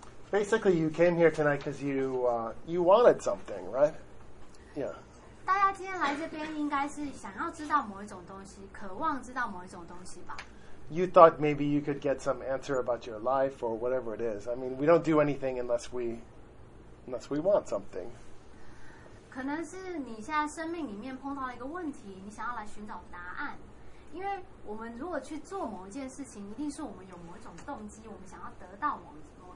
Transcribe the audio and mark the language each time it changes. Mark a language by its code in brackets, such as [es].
[en] Basically, you came here tonight because you wanted something, right? Yeah. [zh] 大家今天来这边应该是想要知道某一种东西，渴望知道某一种东西吧。 [en] You thought maybe you could get some answer about your life or whatever it is. I mean, we don't do anything unless we want something. [zh] 可能是你现在生命里面碰到一个问题，你想要来寻找答案。因为我们如果去做某一件事情，一定是我们有某一种动机，我们想要得到某一种。